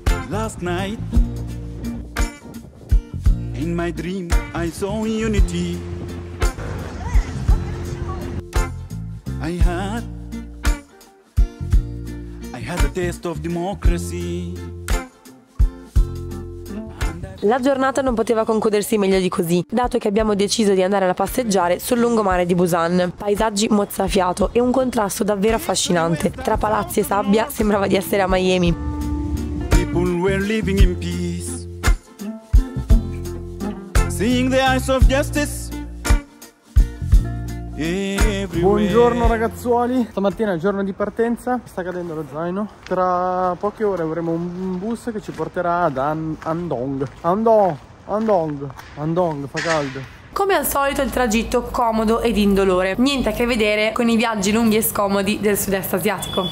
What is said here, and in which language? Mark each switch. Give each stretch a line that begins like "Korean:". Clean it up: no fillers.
English: Last night in my dream I saw unity. I had a taste of democracy.
Italian: La giornata non poteva concludersi meglio di così, dato che abbiamo deciso di andare a passeggiare sul lungomare di Busan. Paesaggi mozzafiato e un contrasto davvero affascinante. Tra palazzi e sabbia sembrava di essere a Miami.
English: People were living in peace. Seeing the eyes of justice. Everywhere.
Italian: Buongiorno ragazzuoli, stamattina è il giorno di partenza, sta cadendo lo zaino. Tra poche ore avremo un bus che ci porterà ad Andong, fa caldo. Come al solito il tragitto comodo ed indolore, niente a che vedere con i viaggi lunghi e scomodi del sud-est asiatico.